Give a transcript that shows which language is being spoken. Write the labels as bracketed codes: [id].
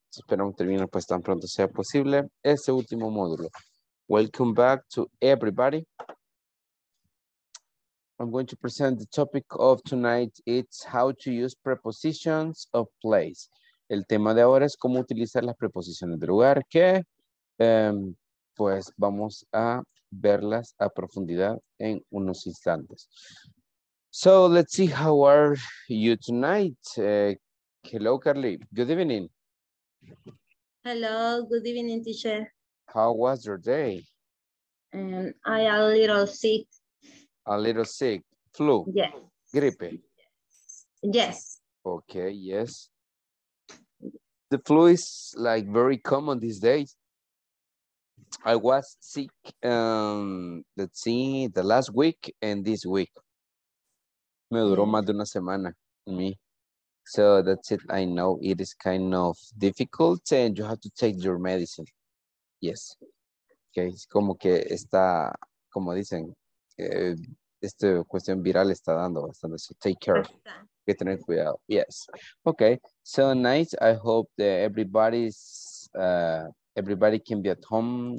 [es] Esperamos terminar pues tan pronto sea posible este último módulo. [en] Welcome back to everybody. I'm going to present the topic of tonight. It's how to use prepositions of place. [es] El tema de ahora es cómo utilizar las preposiciones de lugar que pues vamos a verlas a profundidad en unos instantes. [en] So let's see how are you tonight. Hello, Carly. Good evening. Hello, good evening, teacher. How was your day? I am a little sick. A little sick. Flu. Yes. [es] Gripe. [en] Yes. Okay, yes. The flu is like very common these days. I was sick, let's see, the last week and this week. [es] Me duró más de una semana, me. [en] So that's it. I know it is kind of difficult and you have to take your medicine. Yes. [es] Okay, es como que está, como dicen, esta cuestión viral está dando bastante. [en] So take care. [es] Hay que tener cuidado. [en] Yes. Okay, so nice. I hope that everybody's... Everybody can be at home.